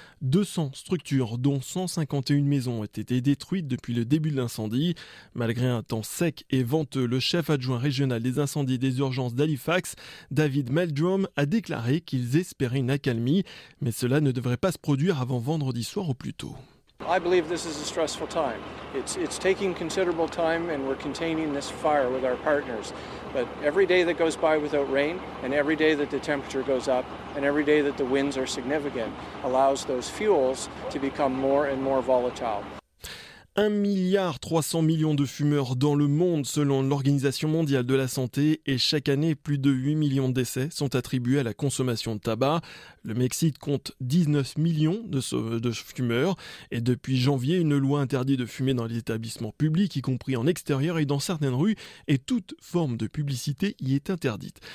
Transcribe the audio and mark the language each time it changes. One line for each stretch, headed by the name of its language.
French: 200 structures, dont 151 maisons, ont été détruites depuis le début de l'incendie. Malgré un temps sec et venteux, le chef adjoint régional des incendies et des urgences d'Halifax, David Meldrum, a déclaré qu'ils espéraient une accalmie, mais cela ne devrait pas se produire avant vendredi soir au plus tôt.
English: I believe this is a stressful time. It's taking considerable time and we're containing this fire with our partners. But every day that goes by without rain and every day that the temperature goes up and every day that the winds are significant allows those fuels to become more and more volatile.
French: 1,3 milliard de fumeurs dans le monde selon l'Organisation mondiale de la santé et chaque année plus de 8 millions de décès sont attribués à la consommation de tabac. Le Mexique compte 19 millions de fumeurs et depuis janvier, une loi interdit de fumer dans les établissements publics, y compris en extérieur et dans certaines rues, et toute forme de publicité y est interdite.